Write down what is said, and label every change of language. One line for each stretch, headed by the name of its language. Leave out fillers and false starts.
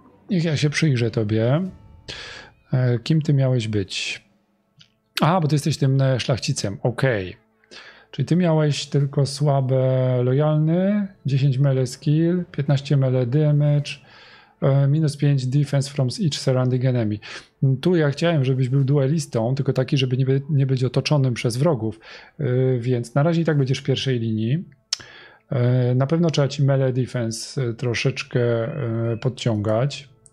Polish: Niech ja się przyjrzę tobie. Kim ty miałeś być? A, bo ty jesteś tym szlachcicem. Okej. Czyli ty miałeś tylko słabe lojalny.
English: 10 melee skill, 15 melee damage. Minus 5 defense from each surrounding enemy.
Polish: Tu ja chciałem, żebyś był duelistą, tylko taki, żeby nie być otoczonym przez wrogów. Więc na razie i tak będziesz w pierwszej linii. Na pewno trzeba ci melee defense troszeczkę podciągać.